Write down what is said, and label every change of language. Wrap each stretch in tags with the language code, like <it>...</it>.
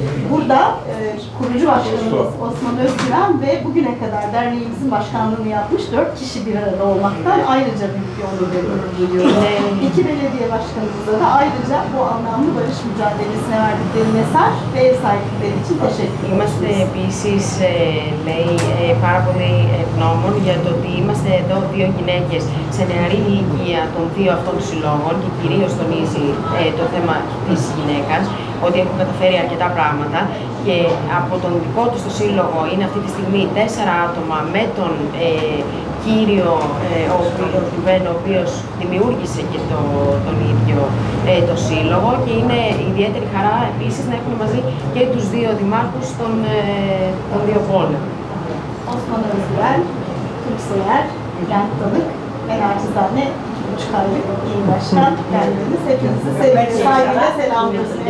<tr>Burada kurucu başkanımız Osman Özgüven ve bugüne kadar derneğimizin başkanlığını yapmış 4 kişi bir arada olmaktan ayrıca büyük bir onur duyuyorum. İki belediye başkanımıza da ayrıca bu anlamlı barış mücadelesine verdikleri mesaj ve ev sahipleri için teşekkür ederim.</tr> <el>Είμαστε επίσης, λέει, πάρα πολύ ευγνώμων για το ότι είμαστε εδώ δύο γυναίκες σε νεαρή ηλικία των δύο αυτών συλλόγων και κυρίως τονίζει το θέμα της γυναίκας, ότι έχουν καταφέρει αρκετά πράγματα και από τον δικό τους το σύλλογο είναι αυτή τη στιγμή 4 άτομα με τον κύριο ο οποίος δημιούργησε και τον ίδιο το σύλλογο και είναι ιδιαίτερη χαρά επίσης να έχουμε μαζί και τους δύο δημάρχους των δύο πόλεων.</el> <tr>Osman Özgüven, Türk Seyer, Gent Tanık, Enerji Zanne, 2,5 aylık yeni başkan. Kendiniz hepinizi sevgiyle, saygıyla selamlıyorsunuz.</tr>